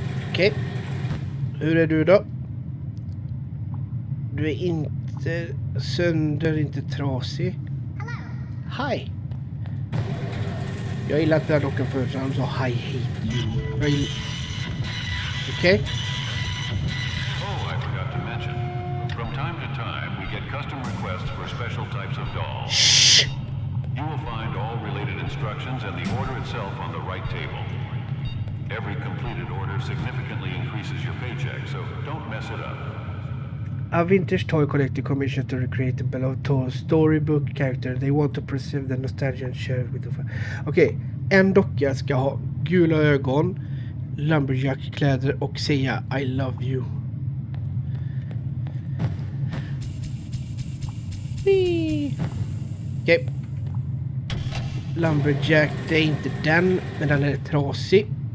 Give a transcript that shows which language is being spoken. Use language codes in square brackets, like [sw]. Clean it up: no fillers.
[sv] Okej. Hur är du då? Du är inte sönder, inte trasig. Hej. Jag gillar att den här docken förut, så han sa [en] hi, hate you. [sv] Okej. [en] Oh, I forgot to mention. From time to time, we get custom requests for special types of dolls. Shh! You will find all related instructions and the order itself on the right table. Every completed order significantly increases your paycheck, so don't mess it up. A vintage toy collector commissioned to recreate a beloved toy storybook character. They want to preserve the nostalgia and share it with the fans. [sv] Okej, en docka ska ha gula ögon, lumberjack-kläder och säga [en] I love you. [sv] Okej. Lumberjack, det är inte den, men den är trasig.